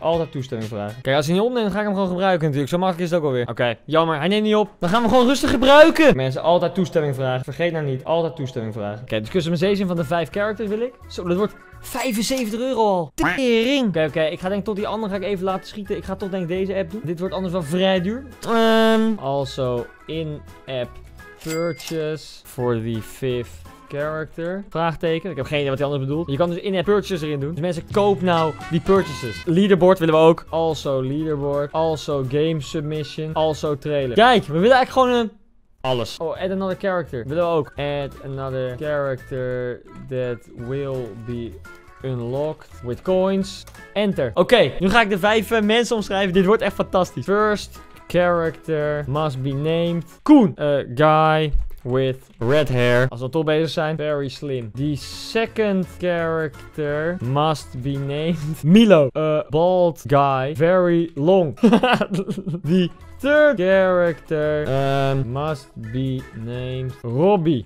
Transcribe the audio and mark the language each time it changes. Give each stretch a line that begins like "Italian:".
Dutch: Altijd toestemming vragen. Kijk, als hij niet opneemt, dan ga ik hem gewoon gebruiken natuurlijk. Zo makkelijk is het ook alweer. Oké, jammer. Hij neemt niet op. Dan gaan we hem gewoon rustig gebruiken. Mensen, altijd toestemming vragen. Vergeet nou niet. Altijd toestemming vragen. Oké, dus customization van de 5 characters wil ik. Zo, dat wordt €75 al. Tering. Oké. Ik ga denk tot die andere ga ik even laten schieten. Ik ga toch denk deze app doen. Dit wordt anders wel vrij duur.
English: Also, in-app purchase for the 5th character.
Dutch: Vraagteken. Ik heb geen idee wat hij anders bedoelt. Je kan dus in-app purchases erin doen. Dus mensen, koop nou die purchases. Leaderboard willen we ook.
English: Also leaderboard. Also game submission. Also trailer.
Dutch: Kijk, we willen eigenlijk gewoon een... Alles. Oh,
English: add another character.
Dutch: Willen we ook.
English: Add another character that will be unlocked with coins.
Dutch: Enter. Oké. Nu ga ik de 5 mensen omschrijven. Dit wordt echt fantastisch.
English: First character must be named Koen. A guy with red hair.
Dutch: Als we toch bezig zijn.
English: Very slim. The second character must be named Milo. A bald guy. Very long. The third character must be named Robbie.